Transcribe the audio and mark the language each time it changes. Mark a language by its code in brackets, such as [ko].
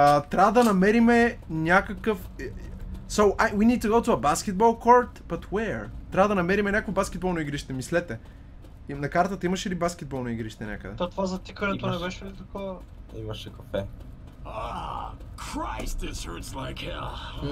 [bg] Трябва да намериме някакъв... [en] So, we need to go to a basketball court, but where? [bg] Трябва да намериме някакво баскетболно игрище, мислете. На картата имаше ли баскетболно игрище някъде? То това за тикането не беше ли такова? Имаше кафе. Ah, [en] Christ, this hurts like hell.